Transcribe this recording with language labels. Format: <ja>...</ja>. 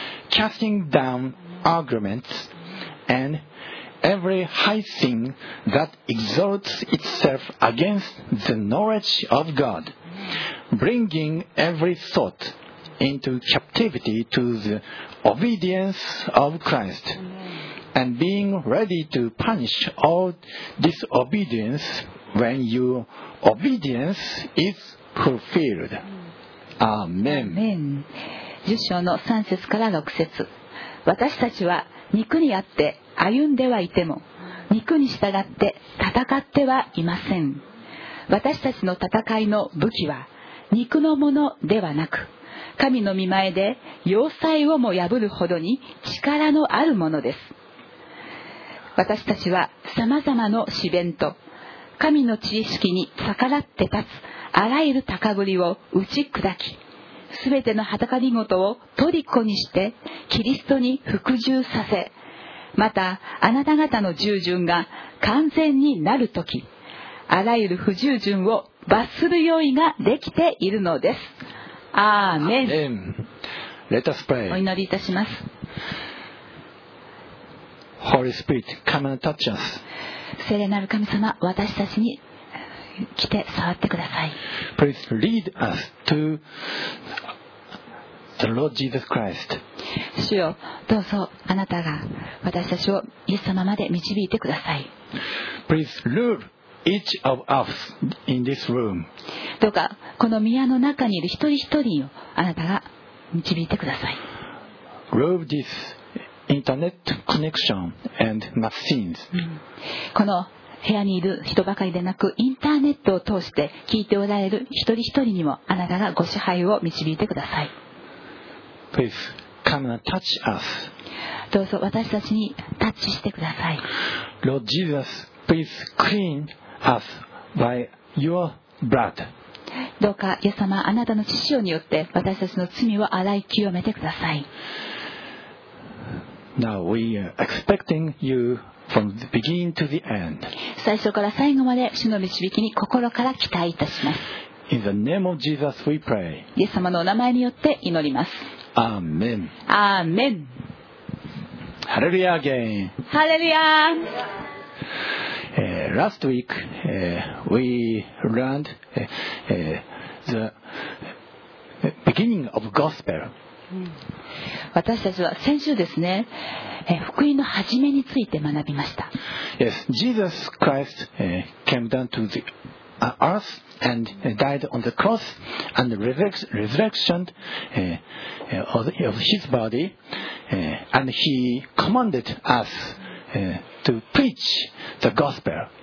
<en>casting down arguments, andEvery high thing that exalts itself against the knowledge of God, bringing every thought into captivity to the obedience of Christ, and being ready to punish all disobedience when your obedience is fulfilled. Amen. Amen.</en> <ja>10章の3節から6節。私たちは肉にあって歩んではいても、肉に従って戦ってはいません。私たちの戦いの武器は、肉のものではなく、神の御前で要塞をも破るほどに力のあるものです。私たちは様々の試練と、神の知識に逆らって立つあらゆる高ぶりを打ち砕き、すべての畑りごとをトリコにして、キリストに服従させ、またあなた方の従順が完全になるとき、あらゆる不従順を罰する用意ができているのです。アーメン。</ja> <en>Let us pray.</en> <ja>お祈りいたします。</ja> <en>Holy Spirit, come and touch us.</en> <ja>聖霊なる神様、私たちに来て触ってください。</ja> <en>Please lead us to the Lord Jesus Christ.</en> <ja>主よ、どうぞあなたが私たちをイエス様まで導いてください。</ja> <en>Please rule each of us in this room.</en> <ja>どうかこの宮の中にいる一人一人をあなたが導いてください。</ja> <en>Rule this internet connection and machines.</en> <ja>この部屋にいる人ばかりでなく、インターネットを通して聞いておられる一人一人にもあなたがご支配を導いてください。</ja> <en>PleaseCome and touch us.</en> <ja>どうぞ私たちにタッチしてください。</ja> <en>Lord Jesus, please clean us by your blood.</en> <ja>どうかイエス様、あなたの血潮によって私たちの罪を洗い清めてください。</ja> <en>Now we are expecting you from the beginning to the end.</en> <ja>最初から最後まで主の導きに心から期待いたします。</ja> <en>In the name of Jesus we pray.</en> <ja>イエス様のお名前によって祈ります。アーメン。アーメン。ハレルヤーゲイン。ハレルヤー。</ja> <en>Last week, we learned the beginning of gospel.</en> <ja>私たちは先週ですね、福音の始めについて学びました。</ja> <en>Yes, Jesus Christ came down to the earth. And died on the cross and resurrection of his body, and he commanded us to preach the gospel.</en>